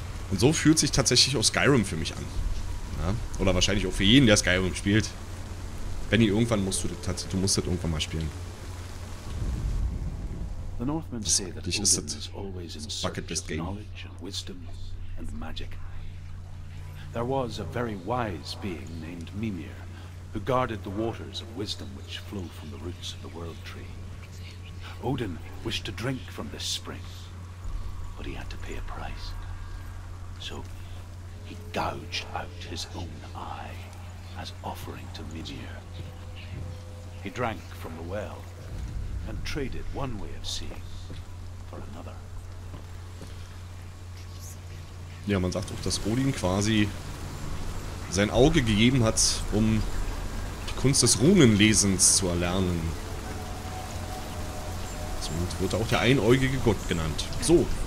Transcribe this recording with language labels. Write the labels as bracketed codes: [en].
[de] Und so fühlt sich tatsächlich auch Skyrim für mich an. Ja? Oder wahrscheinlich auch für jeden, der Skyrim spielt. Benny, irgendwann musst du das tatsächlich, du musst das irgendwann mal spielen. [en] The Northmen say that Odin is always in search of knowledge and wisdom and magic. There was a very wise being named Mimir, who guarded the waters of wisdom which flow from the roots of the world tree. Odin wished to drink from this spring, but he had to pay a price. So he gouged out his own eye as offering to Mimir. He drank from the well. And traded one way of seeing for another. [de] Ja, man sagt auch, dass Odin quasi sein Auge gegeben hat, um die Kunst des Runenlesens zu erlernen. Somit wird er auch der einäugige Gott genannt. So.